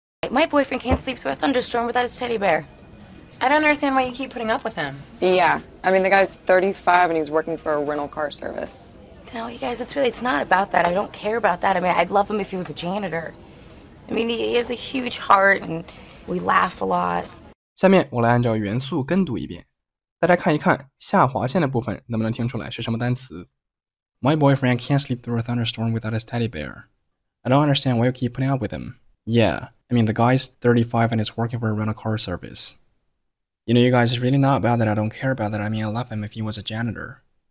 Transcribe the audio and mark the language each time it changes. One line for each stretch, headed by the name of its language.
English: My boyfriend can't sleep through a thunderstorm without his teddy bear. I don't understand why you keep putting up with him. Yeah, I mean, the guy's 35 and he's working for a rental car service. No, you guys, it's not about that. I don't care about that. I mean, I'd love him if he was a janitor. I mean, he has a huge heart and we laugh a lot.
Chinese: 下面我来按照元素跟读一遍。大家看一看下划线的部分能不能听出来是什么单词。
English: My boyfriend can't sleep through a thunderstorm without his teddy bear. I don't understand why you keep putting up with him. Yeah. I mean, the guy's 35 and is working for a rental car service. You know, you guys, it's really not about that. I don't care about that. I mean, I'd love him if he was a janitor.